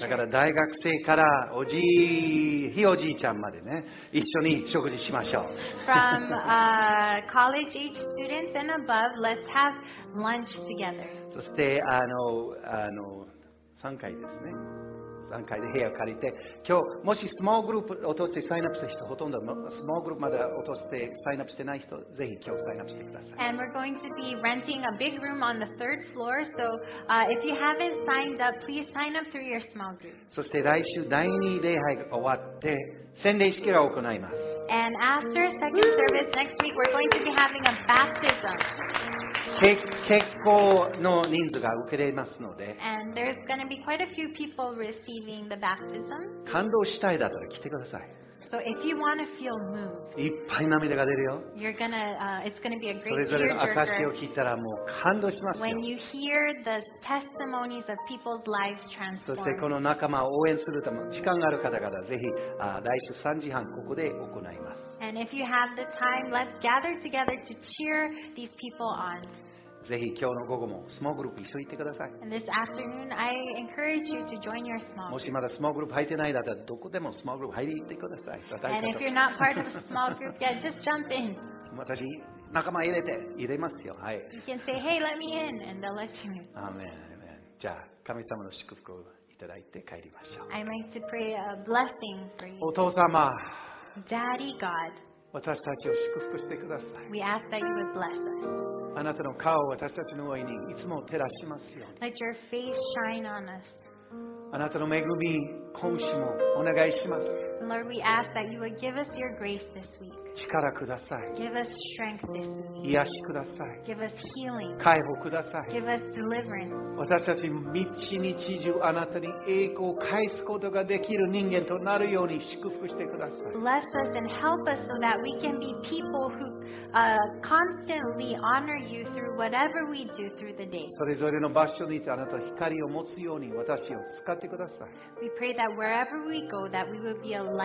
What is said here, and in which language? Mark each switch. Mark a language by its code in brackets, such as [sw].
[ja] だから大学生からおじい、ひおじいちゃんまでね、一緒に食事しましょう。 [en] From college age students and above, let's have lunch together. [ja] そしてあの3回ですね。 3回で部屋を借りて、今日もしスモーグループ落としてサインアップした人、ほとんどスモーグループまで落としてサインアップしてない人、ぜひ今日サインアップしてください。 [en] And we're going to be renting a big room on the third floor, so if you haven't signed up, please sign up through your small group. [ja] そして来週第2礼拝が終わって洗礼式が行います。 [en] And after second service next week, we're going to be having a baptism. [ja] 結構の人数が受けれますので。 [en] And there's going to be quite a few people receiving the baptism. [ja] 感動したいだったら来てください。 [en] So if you want to feel moved, [ja] いっぱい涙が出るよ。 [en] You're gonna, it's gonna be a great tearjerker. [ja] それぞれの証を聞いたらもう感動しますよ。 [en] When you hear the testimonies of people's lives transformed. [ja] そしてこの仲間を応援するため、時間がある方々、ぜひ来週3時半ここで行います。 [en] And if you have the time, let's gather together to cheer these people on. [ja] ぜひ今日の午後もスモーグループ一緒に行ってください。 [en] And this afternoon, I encourage you to join your small group. [ja] もしまだスモーグループ入ってないだったら、どこでもスモーグループ入り行ってください。 [en] And if you're not part of a small group yet, just jump in. [ja] 私、仲間入れますよ。はい。 [en] You can say, hey, let me in, and they'll let you in. Amen, amen. [ja] じゃあ、神様の祝福をいただいて帰りましょう。 [en] I'd like to pray a blessing for you. [ja] お父様。 [en] Daddy God. [ja] 私たちを祝福してください。 [en] We ask that you would bless us. [ja] あなたの顔を私たちの上にいつも照らしますように [en] 。Let your face shine on us. [ja] あなたの恵み、今週もお願いします。 [en] Lord, we ask that you would give us your grace this week. [ja] 力ください。 [en] Give us strength this week. [ja] 癒しください。 [en] Give us healing. [ja] 解放ください。 [en] Give us deliverance. [ja] 私たち、みちみち中あなたに栄光を返すことができる人間となるように祝福してください。 [en] Bless us and help us so that we can be people who constantly honor you through whatever we do through the day. [ja] それぞれの場所にいてあなたの光を持つように私を使ってください。 [en] We pray that wherever we go, that we will be a